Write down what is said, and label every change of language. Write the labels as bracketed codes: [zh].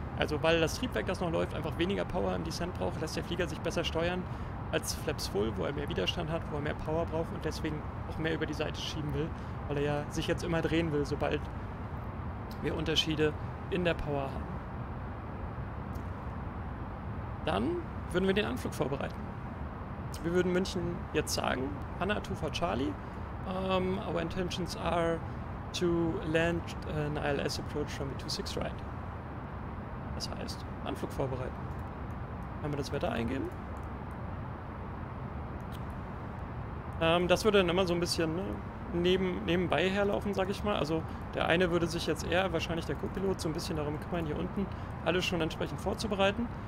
[de] Also weil das Triebwerk, das noch läuft, einfach weniger Power im Descent braucht, lässt der Flieger sich besser steuern als Flaps Full, wo er mehr Widerstand hat, wo er mehr Power braucht und deswegen auch mehr über die Seite schieben will, weil er ja sich jetzt immer drehen will, sobald wir Unterschiede in der Power haben. Dann würden wir den Anflug vorbereiten. Wir würden München jetzt sagen, Hanna, two for Charlie. [en] Our intentions are to land an ILS approach from the 26 right. [de] Das heißt, Anflug vorbereiten. Können wir das Wetter eingeben? Das würde dann immer so ein bisschen, ne, nebenbei herlaufen, sag ich mal. Also der eine würde sich jetzt eher, wahrscheinlich der Co-Pilot, so ein bisschen darum kümmern, hier unten alles schon entsprechend vorzubereiten.